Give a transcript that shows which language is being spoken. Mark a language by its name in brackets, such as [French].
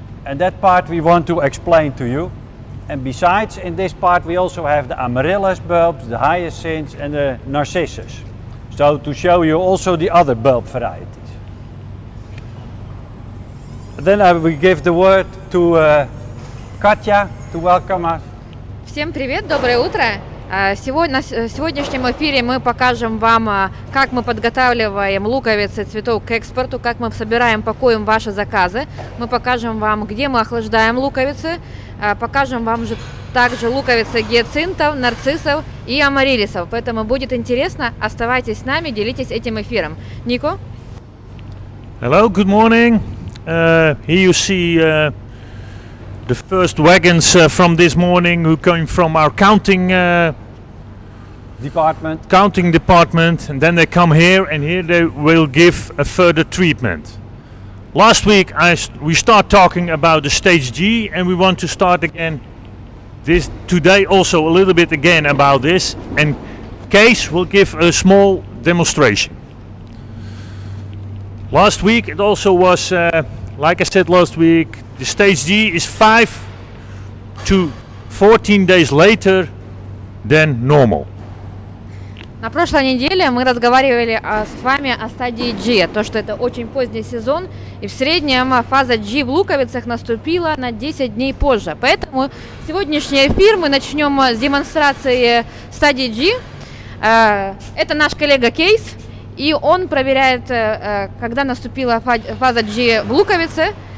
[English] And that part we want to explain to you. And besides, in this part we also have the amaryllis bulbs, the hyacinths and the narcissus. So to show you also the other bulb varieties. Then I will give the word to Katja to welcome us. [Russian] Всем привет, доброе утро. Сегодня, в сегодняшнем эфире мы покажем вам, как мы подготавливаем луковицы цветов к экспорту, как мы собираем, пакуем ваши заказы. Мы покажем вам, где мы охлаждаем луковицы. Покажем вам же также луковицы гиацинтов, нарциссов и амариллисов. Поэтому будет интересно. Оставайтесь с нами, делитесь этим эфиром. Нико? [English] Hello, good morning. Here you see the first wagons from this morning who came from our counting department. Counting department, and then they come here, and here they will give a further treatment. Last week we start talking about the stage G, and we want to start again this today also a little bit again about this, and Kees will give a small demonstration. Last week it also was like I said last week, the stage G is 5 to 14 days later than normal. [Russian] На прошлой неделе мы разговаривали с вами о стадии G, то что это очень поздний сезон, и в среднем фаза G в луковицах наступила на 10 дней позже. Поэтому сегодняшний эфир мы начнем с демонстрации стадии G. Это наш коллега Кейс, и он проверяет, когда наступила фаза G в луковице.